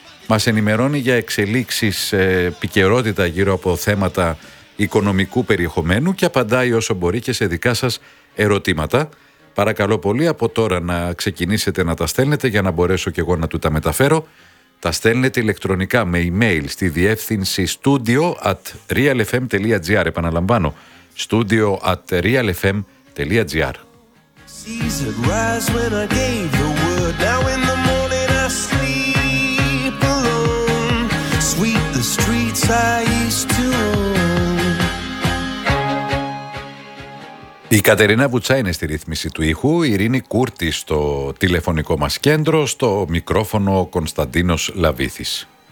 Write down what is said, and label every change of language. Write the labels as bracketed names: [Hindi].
[Greek] Μας ενημερώνει για εξελίξεις, επικαιρότητα γύρω από θέματα οικονομικού περιεχομένου και απαντάει όσο μπορεί και σε δικά σας ερωτήματα. Παρακαλώ πολύ από τώρα να ξεκινήσετε να τα στέλνετε για να μπορέσω και εγώ να του τα μεταφέρω. Τα στέλνετε ηλεκτρονικά με email στη διεύθυνση studio@realfm.gr. Επαναλαμβάνω, studio@realfm.gr. [English] Seas had rise when I gave the word. Now in the morning I sleep alone. Sweep the streets I used to own. [Greek] Η Κατερίνα Βουτσά είναι στη ρύθμιση του ήχου. Η Ειρήνη Κούρτη στο τηλεφωνικό μας κέντρο. Στο μικρόφωνο ο Κωνσταντίνος Λαβίθης.